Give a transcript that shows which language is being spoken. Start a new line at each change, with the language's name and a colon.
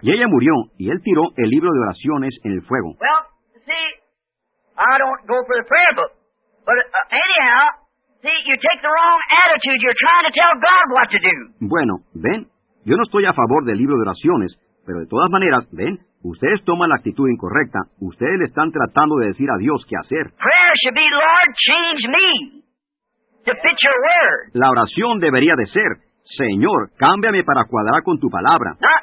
Spanish: Y ella murió y él tiró el libro de oraciones en el fuego.
English: Well, see, I don't go for the prayer book. But anyhow, see, you take the wrong attitude. You're trying to tell God what to do.
Spanish: Bueno, ven. Yo no estoy a favor del libro de oraciones, pero de todas maneras, ven, ustedes toman la actitud incorrecta. Ustedes le están tratando de decir a Dios qué hacer.
English: Prayer should be, Lord, change me to fit your word.
Spanish: La oración debería de ser, Señor, cámbiame para cuadrar con tu palabra.